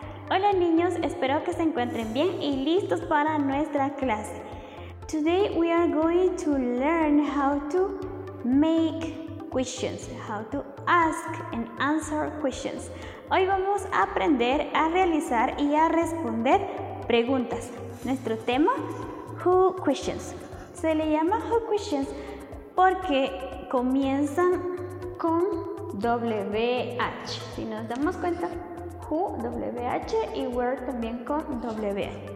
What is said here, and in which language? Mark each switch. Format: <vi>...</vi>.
<es>Hola niños, espero que se encuentren bien y listos para nuestra clase.</es> <en>Today we are going to learn how to make questions, how to ask and answer questions.</en> <es>Hoy vamos a aprender a realizar y a responder preguntas. Nuestro tema, who questions. Se le llama who questions porque comienzan con WH. Si nos damos cuenta, who, WH y where también con WH.</es>